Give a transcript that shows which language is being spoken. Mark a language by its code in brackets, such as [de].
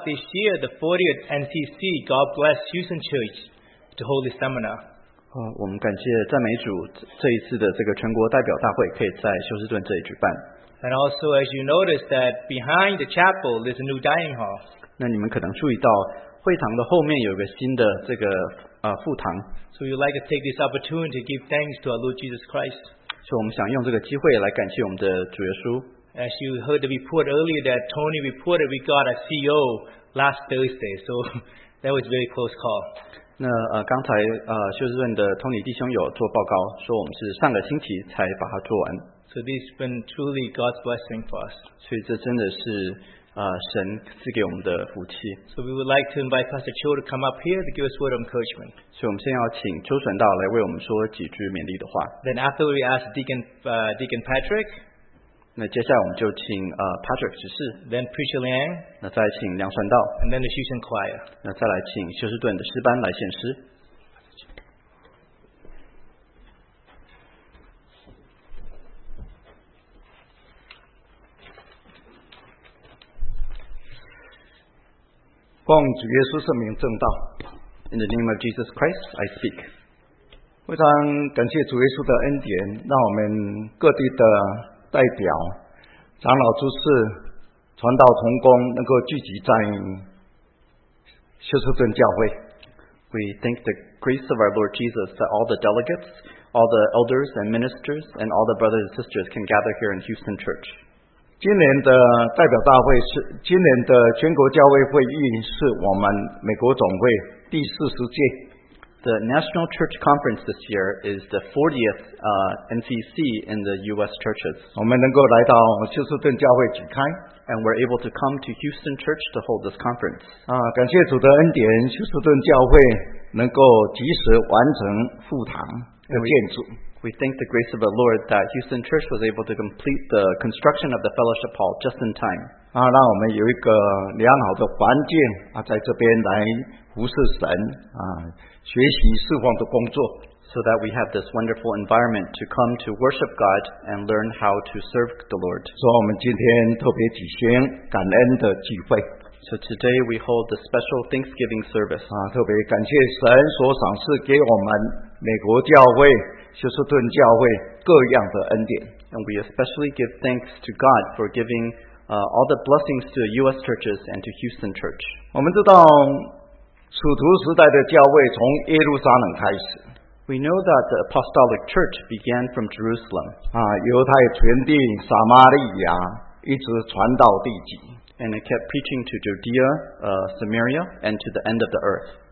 [en] This year, the 40th NCC, God bless Houston Church, the Holy Seminar. [zh] 我们感谢赞美主，这一次的这个全国代表大会可以在休斯顿这里举办。 [en] And also, as you notice that behind the chapel, there's a new dining hall. [zh] 那你们可能注意到会堂的后面有个新的这个副堂。 [en] So we'd like to take this opportunity to give thanks to our Lord Jesus Christ. [zh] 所以我们想用这个机会来感谢我们的主耶稣。 [en] As you heard the report earlier that Tony reported, we got a CO last Thursday, so that was a very close call. [zh] 那刚才休斯顿的 Tony 弟兄有做报告，说我们是上个星期才把它做完。 [en] So this has been truly God's blessing for us. [zh] 所以这真的是神赐给我们的福气。 [en] So we would like to invite Pastor Cho to come up here to give us a word of encouragement. [zh] 所以我们先要请周传道来为我们说几句勉励的话。 [en] Then after we ask Deacon Patrick. [zh] 那接下来我们就请Patrick 执事。 [en] Then Preacher Liang. [zh] 那再请梁传道。 [en] And then the Houston Choir. [zh] 那再来请休斯顿的诗班来献诗。奉主耶稣圣名正道。 [en] In the name of Jesus Christ, I speak. [zh] 非常感谢主耶稣的恩典，让我们各地的代表、长老、执事、传道同工能够聚集在休斯顿教会。 [en] We thank the grace of our Lord Jesus that all the delegates, all the elders and ministers, and all the brothers and sisters can gather here in Houston Church. [zh] 今年的代表大会是今年的全国教会会议是我们美国总会第40届。 [en] The National Church Conference this year is the 40th NCC in the U.S. churches. [zh] 我们能够来到休斯顿教会举开 [en] ，and we're able to come to Houston Church to hold this conference. [zh] 感谢主的恩典，休斯顿教会能够及时完成复堂的建筑。 [en] We thank the grace of the Lord that Houston Church was able to complete the construction of the Fellowship Hall just in time. [zh] 让我们有一个良好的环境啊，在这边来服侍神啊，学习侍奉的工作。 [en] So that we have this wonderful environment to come to worship God and learn how to serve the Lord. [zh] 所以我们今天特别举行感恩的聚会。 [en] So today we hold the special Thanksgiving service. [zh] 特别感谢神所赏赐给我们美国教会。休斯顿教会各样的恩典 [en] and we especially give thanks to God for giving all the blessings to U.S. churches and to Houston Church. [zh] 我们知道使徒时代的教会从耶路撒冷开始 [en] We know that the apostolic church began from Jerusalem. [zh] 犹太全地撒玛利亚一直传到地极 [en] and it kept preaching to Judea, Samaria, and to the end of the earth.